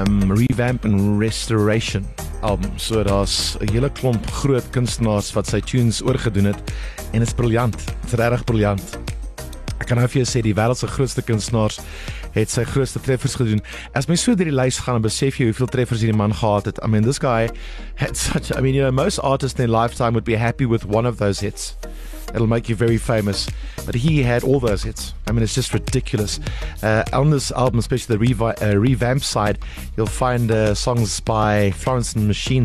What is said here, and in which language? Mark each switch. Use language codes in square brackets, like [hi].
[en] Revamp and Restoration album. [af] So daar's 'n hele klomp groot kunstenaars wat sy tunes oorgedoen het en is briljant. Dit's regtig briljant. Ek kan nou vir jou sê die wêreld se grootste kunstenaars het sy grootste treffers gedoen. As mens so deur die lys gaan, dan besef jy hoeveel treffers hierdie man gehad het. [en] I mean, this guy had such a, I mean, you know, most artists in their lifetime would be happy with one of those hits. It'll make you very famous. But he had all those hits. I mean, it's just ridiculous. On this album, especially the revamp side, you'll find songs by Florence and the Machine.